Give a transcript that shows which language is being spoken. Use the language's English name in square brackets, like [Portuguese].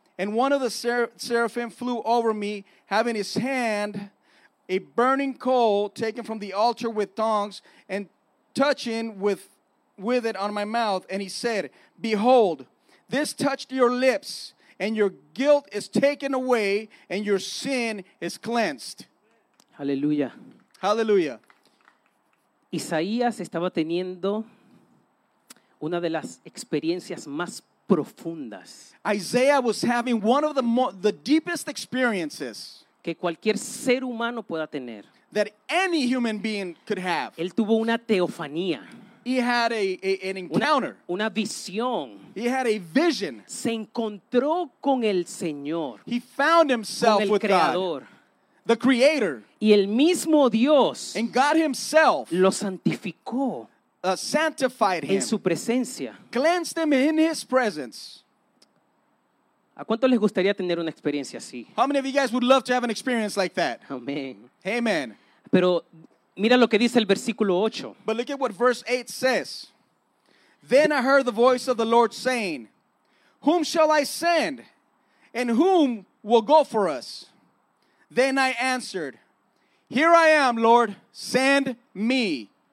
[English] And one of the seraphim flew over me, having his hand a burning coal taken from the altar with tongs and touching with it on my mouth, and he said, Behold, this touched your lips, and your guilt is taken away and your sin is cleansed. Hallelujah. Hallelujah. [Spanish] Isaías estaba teniendo una de las experiencias más profundas. [English] Isaiah was having one of the deepest experiences [Spanish] que cualquier ser humano pueda tener. [English] That any human being could have. [Spanish] Él tuvo una teofanía. [English] He had an encounter. [Spanish] Una visión. [English] He had a vision. [Spanish] Se encontró con el Señor. [English] He found himself [Spanish] con el [English] with [Spanish] Creador. [English] God. The Creator. [Spanish] Y el mismo Dios. [English] And God himself. [Spanish] Lo santificó. [English] Sanctified him. [Spanish] En su presencia. [English] Cleansed him in his presence. [Spanish] ¿A cuántos les gustaría tener una experiencia así? [English] How many of you guys would love to have an experience like that? Amen. Amen. [Spanish] Pero mira lo que dice el versículo 8. [English] But look at what verse 8 says. Then I heard the voice of the Lord saying, whom shall I send? And whom will go for us? Then I answered, here I am, Lord, send me.